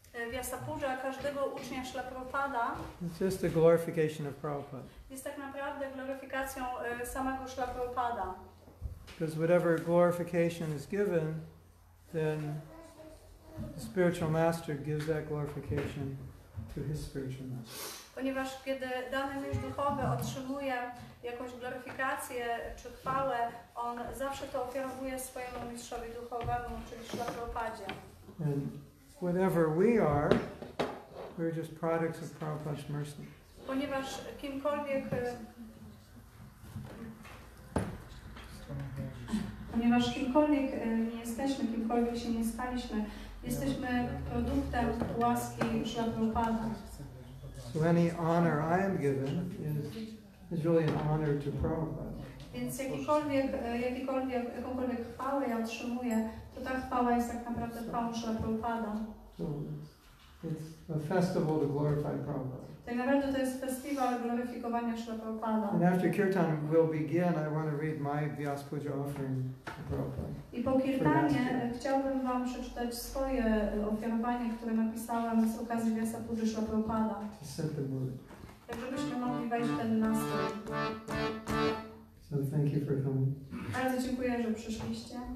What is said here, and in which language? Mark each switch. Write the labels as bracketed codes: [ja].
[pl] Vyasa-puja każdego ucznia śla Prabhupada. [en] It's just a glorification of Prabhupada. [pl] Jest tak naprawdę gloryfikacją samego śla Prabhupada. [en] Because whatever glorification is given, then the spiritual master gives that glorification to his spiritual master. [pl] Ponieważ kiedy dany mistrz duchowy otrzymuje jakąś gloryfikację czy chwałę, on zawsze to ofiarowuje swojemu mistrzowi duchowemu, czyli śla Prabhupadzie. [en] And whatever we are, we're just products of Prabhupada's mercy. [pl] Ponieważ kimkolwiek nie jesteśmy, kimkolwiek się nie staliśmy, jesteśmy produktem łaski śla Prabhupada. [en] So any honor I am given is really an honor to Prabhupada. [pl] Więc jakąkolwiek chwałę ja otrzymuję, to ta chwała jest tak naprawdę chwałą Śla Prabhupada. [en] It's a festival to glorify Prabhupada. [pl] Tak naprawdę to jest festiwal gloryfikowania Śla Prabhupada. [en] And after kirtan will begin, I want to read my Vyasa-puja offering to Prabhupada. [pl] I po kirtanie chciałbym wam przeczytać swoje ofiarowanie, które napisałam z okazji Vyasa-puja Śla Prabhupada. [en] To set the mood. [pl] Tak żebyśmy mogli wejść w ten nastrój. [en] So thank you for coming. [pl] Bardzo dziękuję, że przyszliście.